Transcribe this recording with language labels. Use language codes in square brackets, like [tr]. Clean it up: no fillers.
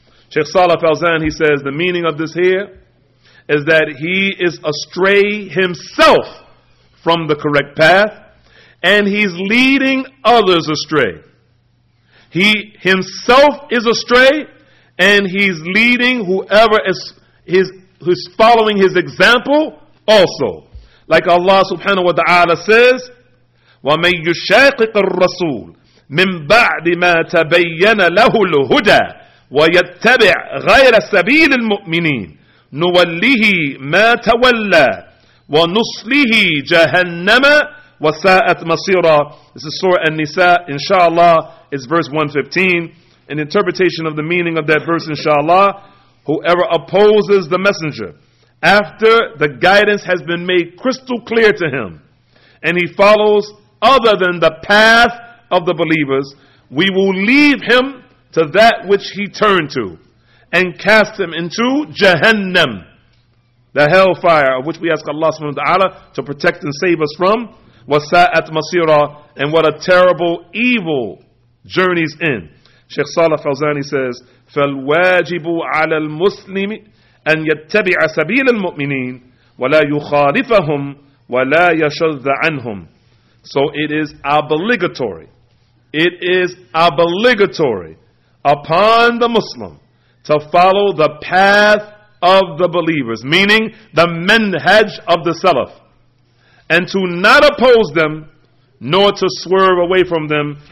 [en] Sheikh Salah Falzan, he says, the meaning of this here is that he is astray himself from the correct path, and he's leading others astray. He himself is astray, and he's leading whoever is who's following his example also. Like Allah subhanahu wa ta'ala says, [ar] وَمَنْ يُشَاقِقَ الرَّسُولِ مِنْ بَعْدِ مَا تَبَيَّنَ لَهُ الْهُدَى وَيَتَّبِعْ غَيْرَ سَبِيلِ الْمُؤْمِنِينَ نُوَلِّهِ مَا تَوَلَّى وَنُصْلِهِ جَهَنَّمَ وَسَاءَتْ مَصِيرًا. [en] This is Surah An-Nisa, inshallah, it's verse 115. An interpretation of the meaning of that verse, inshallah, whoever opposes the messenger after the guidance has been made crystal clear to him, and he follows other than the path of the believers, we will leave him to that which he turned to and cast him into Jahannam, the hellfire of which we ask Allah subhanahu wa ta'ala to protect and save us from. [ar] Wasa'at masira, [en] and what a terrible evil journey's in. [ar] Sheikh Salah Fawzani says, فَالْوَاجِبُ عَلَى الْمُسْلِمِ أَنْ يَتَّبِعَ سَبِيلَ الْمُؤْمِنِينَ وَلَا يُخَالِفَهُمْ وَلَا يَشَذَّ عَنْهُمْ. [en] So it is obligatory. It is obligatory upon the Muslim to follow the path of the believers, meaning the manhaj of the Salaf, and to not oppose them, nor to swerve away from them.